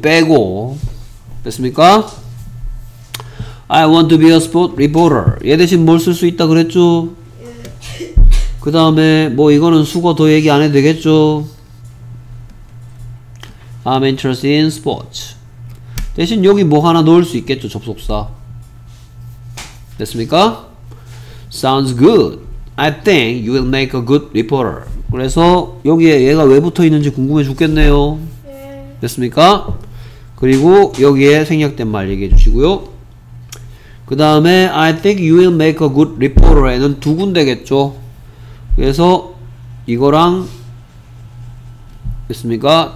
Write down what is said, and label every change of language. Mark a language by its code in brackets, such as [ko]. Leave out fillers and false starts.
[ko] 빼고 됐습니까? [en] I want to be a sport reporter. [ko] 얘 대신 뭘 쓸 수 있다 그랬죠? 그 다음에 뭐 이거는 수고 더 얘기 안 해도 되겠죠? [en] I'm interested in sports. [ko] 대신 여기 뭐 하나 넣을 수 있겠죠? 접속사. 됐습니까? [en] Sounds good. I think you will make a good reporter. [ko] 그래서 여기에 얘가 왜 붙어 있는지 궁금해 죽겠네요. 됐습니까? 그리고 여기에 생략된 말 얘기해 주시고요. 그 다음에 [en] I think you will make a good reporter에는 [ko] 두 군데겠죠? 그래서 이거랑 됐습니까?